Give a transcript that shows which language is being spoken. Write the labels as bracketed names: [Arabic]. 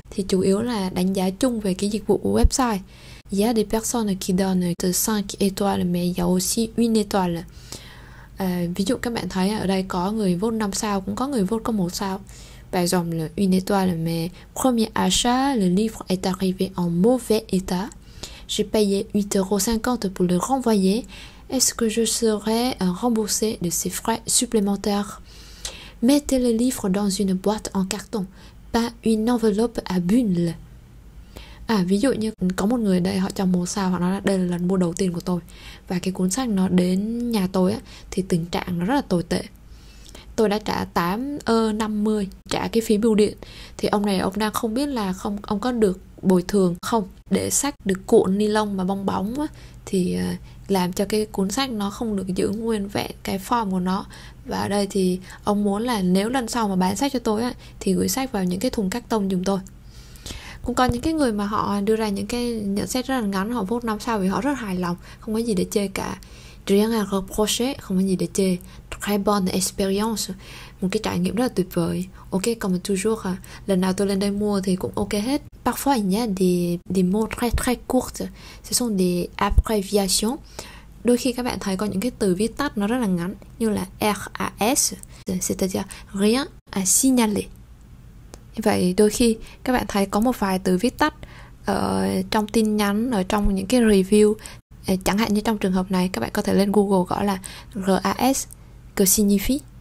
[Vietnamese] Thì chủ yếu là đánh giá chung về cái dịch vụ của website. [French] Il y a des personnes qui donnent 5 étoiles, mais il y a aussi 1 étoile. [Vietnamese] Ví dụ các bạn thấy ở đây có người vote 5 sao, cũng có người vote có 1 sao. [French] Par exemple, une étoile, mais premier achat, le livre est arrivé en mauvais état. J'ai payé 8,50€ pour le renvoyer. Est-ce que je serai remboursé de ces frais supplémentaires? Mettez le livre dans une boîte en carton, pas une enveloppe à bulles. [Vietnamese] À, ví dụ như có một người đây họ trồng màu sao và nói là đây là lần mua đầu tiên của tôi và cái cuốn sách nó đến nhà tôi á thì tình trạng nó rất là tồi tệ. Tôi đã trả 8,50 trả cái phí bưu điện thì ông này ông đang không biết là không ông có được bồi thường không để sách được cuộn ni lông mà bong bóng á, thì làm cho cái cuốn sách nó không được giữ nguyên vẹn cái form của nó. Và ở đây thì ông muốn là nếu lần sau mà bán sách cho tôi á thì gửi sách vào những cái thùng các tông giùm tôi. Cũng có những cái người mà họ đưa ra những cái nhận xét rất là ngắn, họ vote 5 sao vì họ rất hài lòng, không có gì để chê cả. [French] Rien à reprocher, [Vietnamese] không có gì để chê. [French] Très bonne expérience, [Vietnamese] một cái trải nghiệm rất là tuyệt vời. [French] Ok, comme toujours, [Vietnamese] lần nào tôi lên đây mua thì cũng ok hết. [French] Parfois il y a des mots très très courts, ce sont des abréviations. [Vietnamese] Đôi khi các bạn thấy có những cái từ viết tắt nó rất là ngắn, như là RAS, [French] c'est-à-dire rien à signaler. [Vietnamese] Vậy đôi khi các bạn thấy có một vài từ viết tắt ở trong tin nhắn, ở trong những cái review. Chẳng hạn như trong trường hợp này, các bạn có thể lên Google gõ là RAS, [French] que signifie?